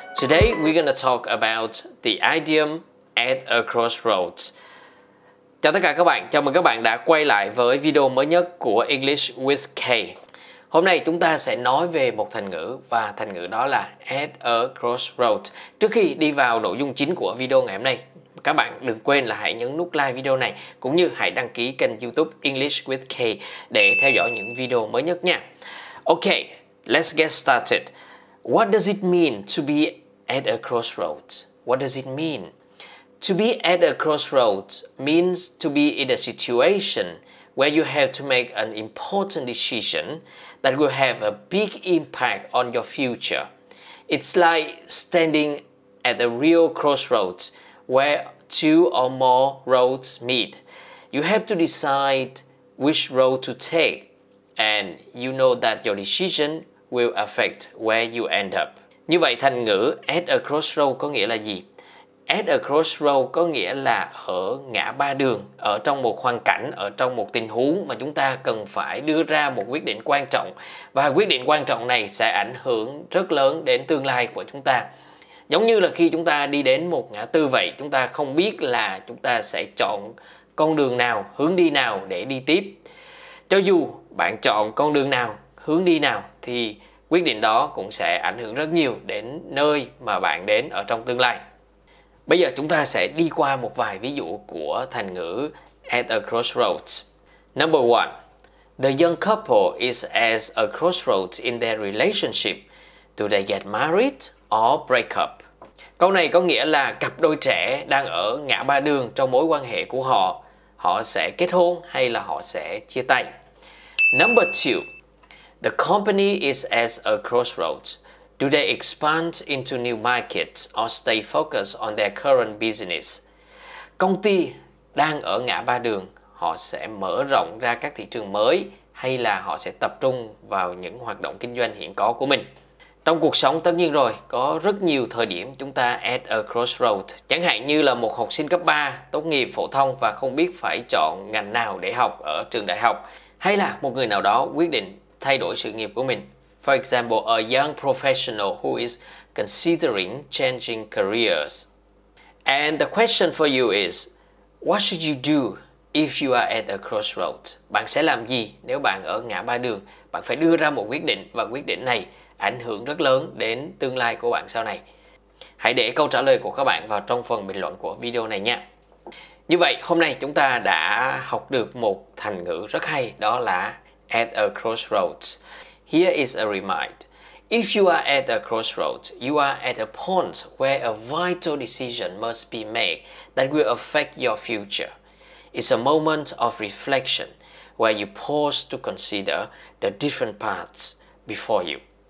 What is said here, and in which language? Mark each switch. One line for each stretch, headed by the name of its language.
English: Today, we're gonna talk about the idiom at a crossroads.
Vietnamese: Chào tất cả các bạn, chào mừng các bạn đã quay lại với video mới nhất của English with K. Hôm nay chúng ta sẽ nói về một thành ngữ và thành ngữ đó là at a crossroads. Trước khi đi vào nội dung chính của video ngày hôm nay, các bạn đừng quên là hãy nhấn nút like video này cũng như hãy đăng ký kênh YouTube English with K để theo dõi những video mới nhất nha.
English: Okay, let's get started. What does it mean to be at a crossroads? What does it mean? To be at a crossroads means to be in a situation where you have to make an important decision that will have a big impact on your future. It's like standing at a real crossroads where two or more roads meet. You have to decide which road to take, and you know that your decision will affect where you end up.
Vietnamese: Như vậy, thành ngữ at a crossroads có nghĩa là gì? At a crossroads có nghĩa là ở ngã ba đường, ở trong một hoàn cảnh, ở trong một tình huống mà chúng ta cần phải đưa ra một quyết định quan trọng. Và quyết định quan trọng này sẽ ảnh hưởng rất lớn đến tương lai của chúng ta. Giống như là khi chúng ta đi đến một ngã tư vậy, chúng ta không biết là chúng ta sẽ chọn con đường nào, hướng đi nào để đi tiếp. Cho dù bạn chọn con đường nào, hướng đi nào, thì quyết định đó cũng sẽ ảnh hưởng rất nhiều đến nơi mà bạn đến ở trong tương lai. Bây giờ chúng ta sẽ đi qua một vài ví dụ của thành ngữ at a crossroads.
English: Number one, the young couple is at a crossroads in their relationship. Do they get married or break up?
Vietnamese: Câu này có nghĩa là cặp đôi trẻ đang ở ngã ba đường trong mối quan hệ của họ. Họ sẽ kết hôn hay là họ sẽ chia tay?
English: Number two, the company is at a crossroads. Do they expand into new markets or stay focused on their current business?
Vietnamese: Công ty đang ở ngã ba đường, họ sẽ mở rộng ra các thị trường mới hay là họ sẽ tập trung vào những hoạt động kinh doanh hiện có của mình? Trong cuộc sống tất nhiên rồi, có rất nhiều thời điểm chúng ta at a crossroads. Chẳng hạn như là một học sinh cấp 3 tốt nghiệp phổ thông và không biết phải chọn ngành nào để học ở trường đại học. Hay là một người nào đó quyết định thay đổi sự nghiệp của mình.
English: For example, a young professional who is considering changing careers. And the question for you is, what should you do if you are at a crossroads?
Vietnamese: Bạn sẽ làm gì nếu bạn ở ngã ba đường? Bạn phải đưa ra một quyết định và quyết định này ảnh hưởng rất lớn đến tương lai của bạn sau này. Hãy để câu trả lời của các bạn vào trong phần bình luận của video này nha. Như vậy, hôm nay chúng ta đã học được một thành ngữ rất hay, đó là at a crossroads.
English: Here is a reminder. If you are at a crossroads, you are at a point where a vital decision must be made that will affect your future. It's a moment of reflection where you pause to consider the different paths before you.